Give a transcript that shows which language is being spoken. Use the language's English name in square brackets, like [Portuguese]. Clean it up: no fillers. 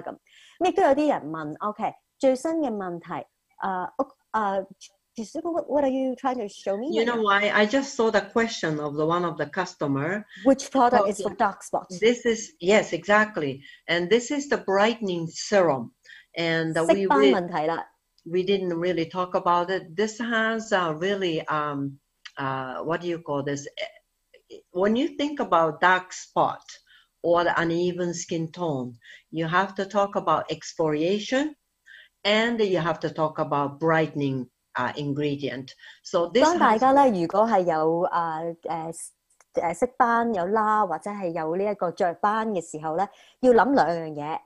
[Cantonese] 咁咁亦都有啲人問 ，OK。最新的問題, [English] what are you trying to show me? You know why? I just saw the question of the one of the customer. Which product is for dark spots? This is, yes, exactly. And this is the brightening serum. And we didn't really talk about it. This has a really, what do you call this? When you think about dark spot or the uneven skin tone, you have to talk about exfoliation. And you have to talk about brightening ingredient. So this [Cantonese] 當大家咧，如果係有色斑、有瘌或者係有呢一個著斑嘅時候咧，要諗兩樣嘢。